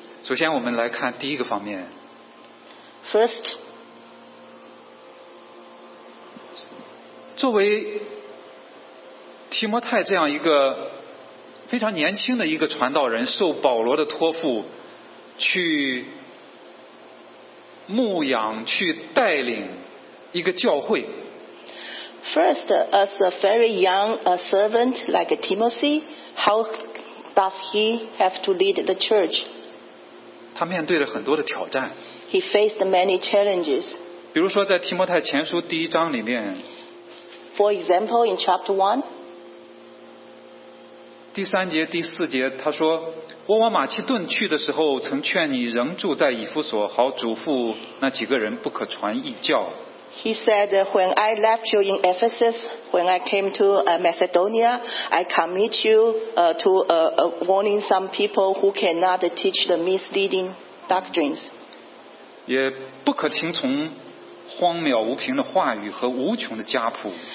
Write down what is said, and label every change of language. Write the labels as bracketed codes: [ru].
[zh] 首先我们来看第一个方面。 [en] First, [zh] 作为提摩太这样一个非常年轻的一个传道人，受保罗的托付去牧养、去带领一个教会。 [en] First, as a very young servant like Timothy, how does he have to lead the church? [zh] 他面对了很多的挑战。 [en] He faced many challenges. [zh] 比如说在提摩太前书第一章里面。 [en] For example, in chapter 1, [zh] 第三节、第四节，他说，我往马其顿去的时候，曾劝你仍住在以弗所，好嘱咐那几个人不可传异教。 [en] He said, when I left you in Ephesus, when I came to Macedonia, I commit you to warning some people who cannot teach the misleading doctrines. [zh] 也不可听从荒谬无凭的话语和无穷的家谱。